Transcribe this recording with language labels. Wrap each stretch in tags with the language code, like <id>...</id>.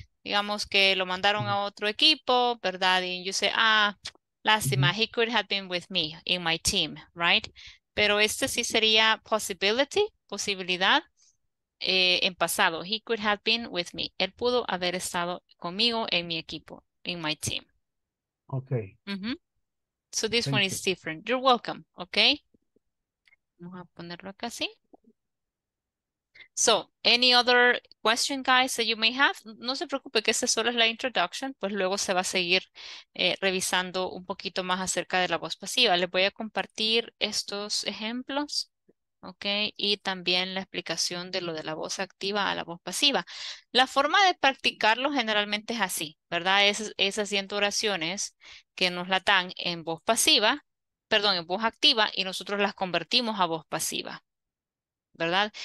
<es>Digamos que lo mandaron a otro equipo, ¿verdad?</es> <en>Y you say, ah, lástima, he could have been with me in my team, right?</en> <es>Pero este sí sería posibilidad. En pasado,</es> <en>he could have been with me.</en> <es>Él pudo haber estado conmigo en mi equipo,</es> <en>in my team. Okay. Mm-hmm. So this Thank one you. Is different. You're welcome. Okay.</en> <es>Vamos a ponerlo acá así.</es> <en>So, any other question, guys, that you may have?</en> <es>No se preocupe que esta solo es la introduction, pues luego se va a seguir revisando un poquito más acerca de la voz pasiva. Les voy a compartir estos ejemplos. Okay, y también la explicación de lo de la voz activa a la voz pasiva. La forma de practicarlo generalmente es así, ¿verdad? Es haciendo oraciones que nos la dan en voz pasiva, perdón, en voz activa, y nosotros las convertimos a voz pasiva, ¿verdad?</es>